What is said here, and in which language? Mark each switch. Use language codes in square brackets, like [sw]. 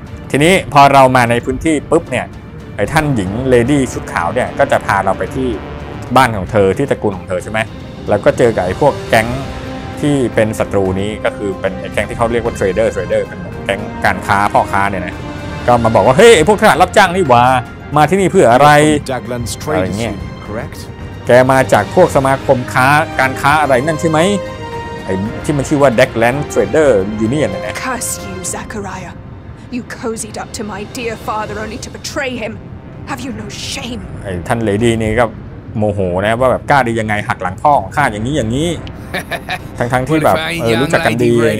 [th] ทีนี้พอเรามาในพื้นที่ปุ๊บเนี่ยไอ้ท่านหญิงเลดี้ชุดขาวเนี่ยก็จะพาเราไปที่บ้านของเธอที่ตระกูลของเธอใช่ไหมแล้วก็เจอกับไอ้พวกแก๊งที่เป็นศัตรูนี้ก็คือเป็นไอ้แก๊งที่เขาเรียกว่าเทรดเดอร์กันแก๊งการค้าพ่อค้าเนี่ยนะก็มาบอกว่าเฮ้ยไอ้พวกทหารรับจ้างนี่วะมาที่นี่เพื่ออะไรอะไรเงี้ยแกมาจากพวกสมาคมค้าการค้าอะไรนั่นใช่ไหมไอ้ที่มันชื่อว่าเด็กแลนด์เทรดเดอร์ยูเนียนนะ [en] Curse you, Zachariah.You cozied up to my dear father only to betray him. Have you no shame? [th] ไอ้ท่านเลดี้นี่ก็โมโหนะว่าแบบกล้าดียังไงหักหลังพ่อของข้าอย่างนี้อย่างนี้ทั้งๆที่แบบรู้จักกันดี